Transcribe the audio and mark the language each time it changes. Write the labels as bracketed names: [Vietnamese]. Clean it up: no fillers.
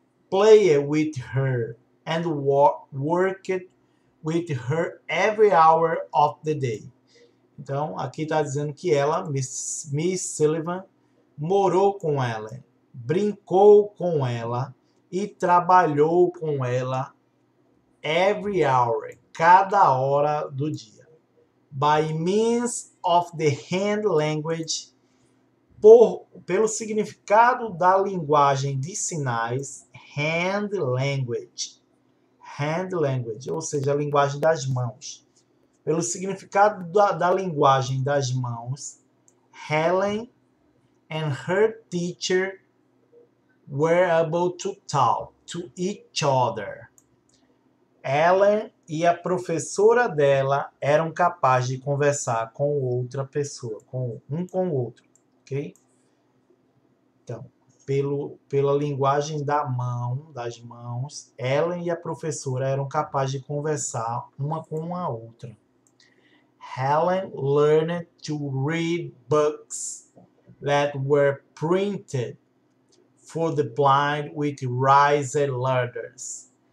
[English] Played with her and worked with her every hour of the day. [Portuguese] Então, aqui está dizendo que ela, Miss Sullivan, morou com ela, brincou com ela e trabalhou com ela [English] every hour, [Portuguese] cada hora do dia. [English] By means of the hand language, [Portuguese] pelo significado da linguagem de sinais, [English] hand language. Hand language, [Portuguese] ou seja, a linguagem das mãos. Pelo significado da linguagem das mãos, [English] Helen and her teacher were able to talk to each other. [Portuguese] Ela e a professora dela eram capazes de conversar com outra pessoa, com o outro, ok? Então, pela linguagem das mãos, ela e a professora eram capazes de conversar uma com a outra. [English] Helen learned to read books that were printed for the blind with riser letters.